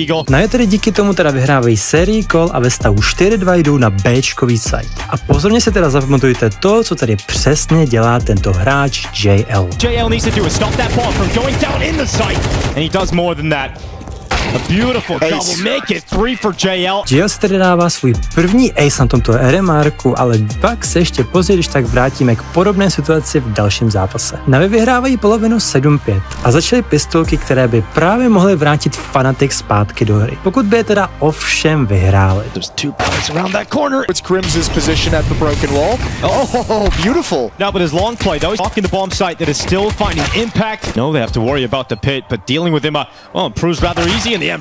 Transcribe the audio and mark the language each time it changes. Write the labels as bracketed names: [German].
[Czech] Na je tedy díky tomu teda vyhrávají sérii kol a ve stavu 4-2 jdou na Bčkový site. A pozorně se teda zapamatujte to, co tady přesně dělá tento hráč JL. [English] JL needs to do is stop that ball from going down in the site. And he does more than that. A beautiful double, make it 3 for JL. [Czech] JL se tedy dává svůj první ace na tomto RMR-ku, ale pak se ještě později, když tak vrátíme k podobné situaci v dalším zápase. Navi vyhrávají polovinu 7-5 a začaly pistolky, které by právě mohly vrátit Fnatic zpátky do hry. Pokud by je teda ovšem vyhráli. [English] There's two points around that corner. It's Grimms's position at the broken wall. Oh, beautiful. Now with his long play, though, he's walking the bomb site that is still finding impact. No, they have to worry about the pit, but dealing with him, well, proves rather easy.